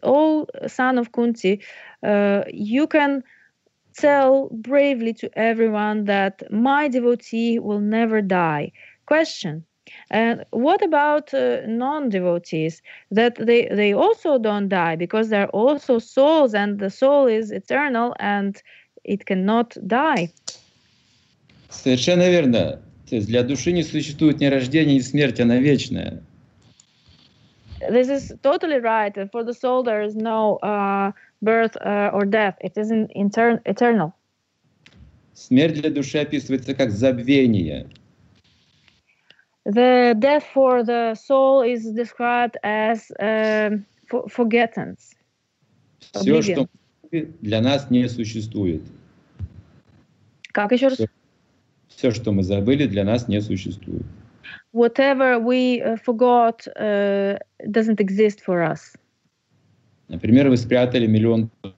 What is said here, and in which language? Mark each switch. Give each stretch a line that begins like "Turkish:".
English: Oh, son of Kunti, you can tell bravely to everyone that my devotee will never die. Question. And what about non-devotees? That they also don't die because they're also souls and the soul is eternal and it cannot die.
Russian: Совершенно верно. То есть для души не существует ни рождения, ни смерти, она вечная.
English: This is totally right. For the soul, there is no birth or death. It is eternal.
Russian: Смерть для души описывается как забвение.
English: The death for the soul is described as forgetfulness.
Russian: Все, что для нас не существует. Как еще раз? Все, что мы забыли, для нас не существует.
English: Whatever we forgot doesn't exist for us.
Russian: Например, вы спрятали миллион.